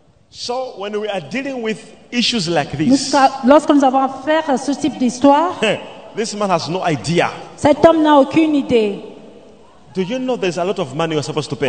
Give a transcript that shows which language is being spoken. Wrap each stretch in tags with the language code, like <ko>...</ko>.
<en>So when we are dealing with issues like this,</en> <fr>nous, lorsque nous avons affaire à ce type d'histoire,</fr> <en>this man has no idea.</en> <fr>Cet homme n'a aucune idée.</fr> <en>Do you know there's a lot of money you're supposed to pay?</en>